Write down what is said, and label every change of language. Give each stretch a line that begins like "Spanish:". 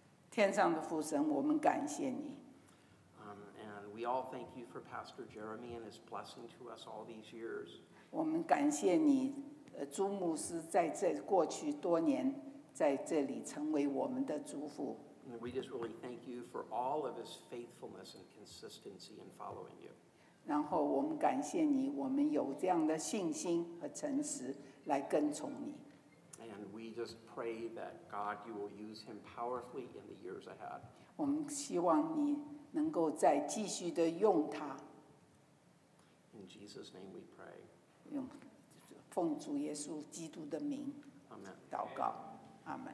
Chinese: 天上的父神，我们感谢你。
English: And we all thank you for Pastor Jeremy and his blessing to us all these years.
Chinese: 我们感谢你。朱牧师在这过去多年在这里成为我们的祝福。
English: We just really thank you for all of his faithfulness and consistency in following you.
Chinese: 然后我们感谢你，我们有这样的信心和诚实来跟从你。
English: And we just pray that God, you will use him powerfully in the years ahead.
Chinese: 我们希望你能够再继续的用他。
English: In Jesus' name we pray.
Chinese: 奉主耶稣基督的名祷告，阿门。